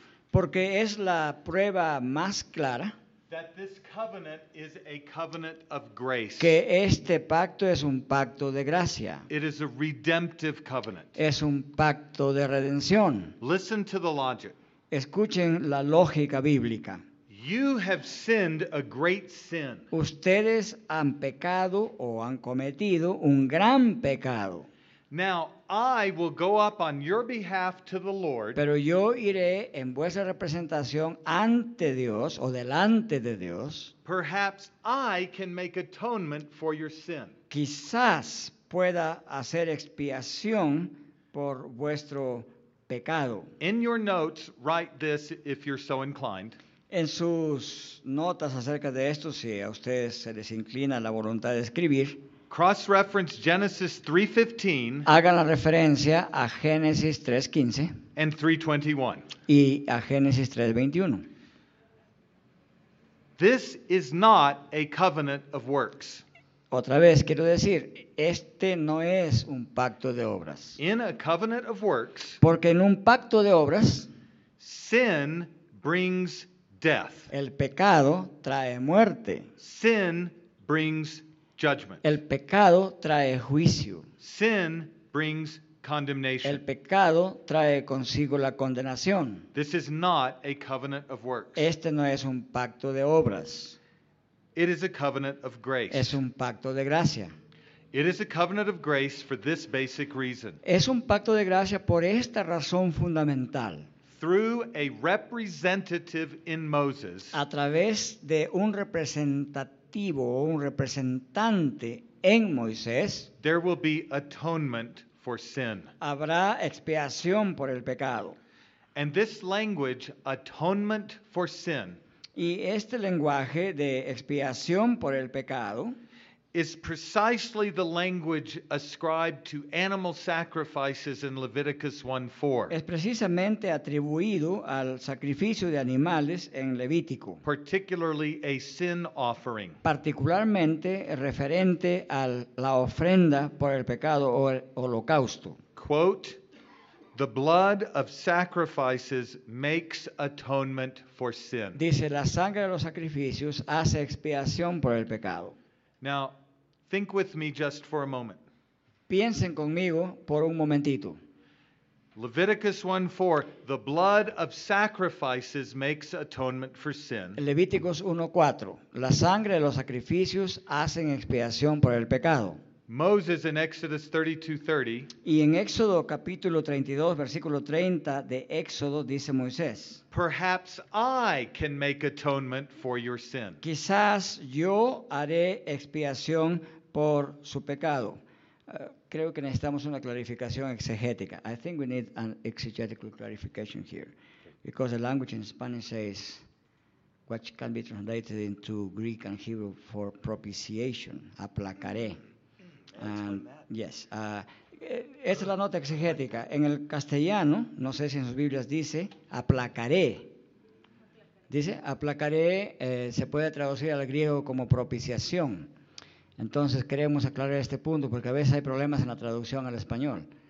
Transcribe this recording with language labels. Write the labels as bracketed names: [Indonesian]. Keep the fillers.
[Spanish] porque es la prueba más clara [English] That this covenant is a covenant of grace. [Spanish] Que este pacto es un pacto de gracia. [English] It is a redemptive covenant. [Spanish] Es un pacto de redención. [English] Listen to the logic. [Spanish] Escuchen la lógica bíblica. [English] You have sinned a great sin. [Spanish] Ustedes han pecado o han cometido un gran pecado. [English] Now I will go up on your behalf to the Lord. [Spanish] Pero yo iré en vuestra representación ante Dios o delante de Dios. [English] Perhaps I can make atonement for your sin. [Spanish] Quizás pueda hacer expiación por vuestro pecado. [English] In your notes write this if you're so inclined. [Spanish] En sus notas acerca de esto si a ustedes se les inclina la voluntad de escribir. [English] Cross reference Genesis 3:15. [Spanish] Haga la referencia a Génesis 3:15. en 3:21. Y a Génesis 3:21. [English] This is not a covenant of works. [Spanish] Otra vez quiero decir, este no es un pacto de obras. [English] In a covenant of works. [Spanish] Porque en un pacto de obras [English] sin brings death. [Spanish] El pecado trae muerte. [English] Sin brings judgment. [Spanish] El pecado trae juicio. [English] Sin brings condemnation. [Spanish] El pecado trae consigo la condenación. [English] This is not a covenant of works. [Spanish] Este no es un pacto de obras. [English] It is a covenant of grace. [Spanish] Es un pacto de gracia. [English] It is a covenant of grace for this basic reason. [Spanish] Es un pacto de gracia por esta razón fundamental. [English] Through a representative in Moses. [Spanish] A través de un representativo un representante en Moisés, [English] There will be for sin. [Spanish] Habrá expiación por el pecado. [English] This language, for sin, [Spanish] y este lenguaje de expiación por el pecado, [English] is precisely the language ascribed to animal sacrifices in Leviticus 1:4. Es [Spanish] precisamente atribuido al sacrificio de animales en Levítico. [English] Particularly a sin offering. [Spanish] Particularmente referente al la ofrenda por el pecado o el holocausto. [English] Quote The blood of sacrifices makes atonement for sin. [Spanish] Dice la sangre de los sacrificios hace expiación por el pecado. [English] Now Think with me just for a moment. [Spanish] Piensen conmigo por un momentito. [English] Leviticus 1:4 The blood of sacrifices makes atonement for sin. [Spanish] El Levíticos 1:4 La sangre de los sacrificios hacen expiación por el pecado. [English] Moses in Exodus 32:30 30, [Spanish] Y en Éxodo capítulo 32 versículo 30 de Éxodo dice Moisés [English] Perhaps I can make atonement for your sin. [Spanish] Quizás yo haré expiación por su pecado. Uh, creo que necesitamos una clarificación exegética. [English] I think we need an exegetical clarification here. Because the language in Spanish says what can be translated into Greek and Hebrew for propitiation, aplacaré. [Spanish] Sí. Um, [English] yes. [Spanish] esa es la nota exegética. En el castellano, no sé si en sus Biblias dice aplacaré. Dice aplacaré, eh, se puede traducir al griego como propiciación. Entonces queremos aclarar este punto porque a veces hay problemas en la traducción al español.